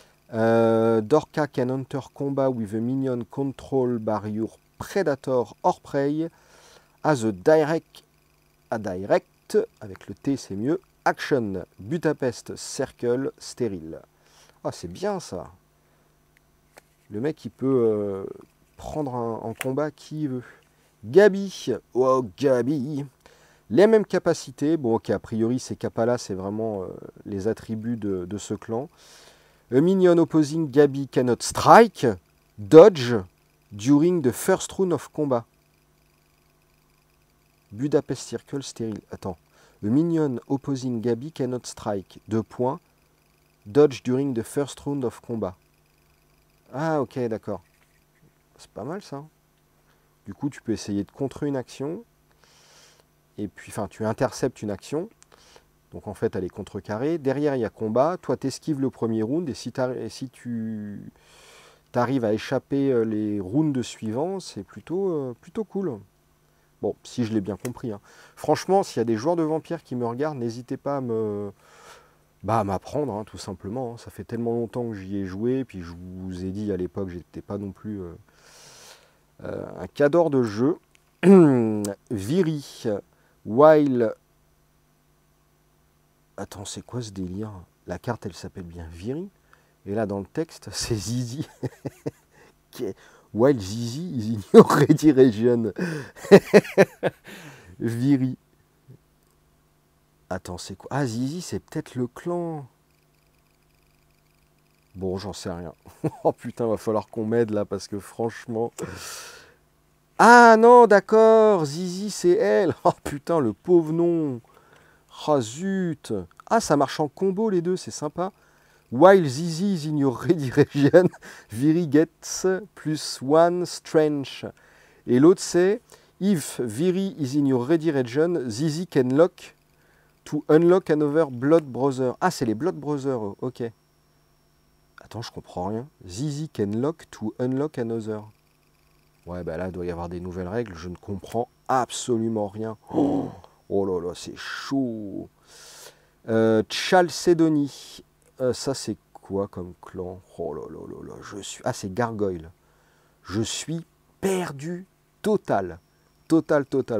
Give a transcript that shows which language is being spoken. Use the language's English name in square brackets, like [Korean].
[English] Dorca can enter combat with a minion controlled by your predator or prey as a direct, [French] avec le T c'est mieux, [English] action, Budapest Circle stérile. [French] Oh, c'est bien ça. Le mec il peut prendre en combat qui il veut. Gabi, oh Gabi. Les mêmes capacités, bon ok, a priori ces capas-là, c'est vraiment les attributs de ce clan. [English] A minion opposing Gabi cannot strike, dodge during the first round of combat. Budapest Circle stérile. [French] Attends. [English] A minion opposing Gabi cannot strike. 2 points. Dodge during the first round of combat. [French] Ah ok, d'accord. C'est pas mal ça. Du coup, tu peux essayer de contrer une action. Et puis, enfin, tu interceptes une action. Donc, en fait, elle est contrecarrée. Derrière, il y a combat. Toi, tu esquives le premier round. Et si tu arrives à échapper les rounds de suivant, c'est plutôt cool. Bon, si je l'ai bien compris, hein. Franchement, s'il y a des joueurs de vampires qui me regardent, n'hésitez pas à m'apprendre, hein, tout simplement. Ça fait tellement longtemps que j'y ai joué. Puis, je vous ai dit à l'époque, j'étais pas non plus un cador de jeu. Viri. While. Attends, c'est quoi ce délire? La carte, elle s'appelle bien Viri. Et là, dans le texte, c'est Zizi. [English] While Zizi is in your ready region. [French] Viri. Attends, c'est quoi? Ah, Zizi, c'est peut-être le clan. Bon, j'en sais rien. Oh putain, va falloir qu'on m'aide là, parce que franchement. Ah non, d'accord, Zizi, c'est elle. Oh putain, le pauvre nom. Ah zut. Ah, ça marche en combo les deux, c'est sympa. [English] While Zizi is in your ready region, Viri gets plus one strength. [French] Et l'autre, c'est [English] If Viri is in your ready region, Zizi can lock to unlock another Blood Brother. [French] Ah, c'est les Blood Brothers, ok. Attends, je comprends rien. [English] Zizi can lock to unlock another. [French] Ouais, bah là, il doit y avoir des nouvelles règles. Je ne comprends absolument rien. Oh là là, c'est chaud. Chalcédonie. Ça, c'est quoi comme clan? Oh là là là là, je suis. Ah, c'est Gargoyle. Je suis perdu total. Total, total.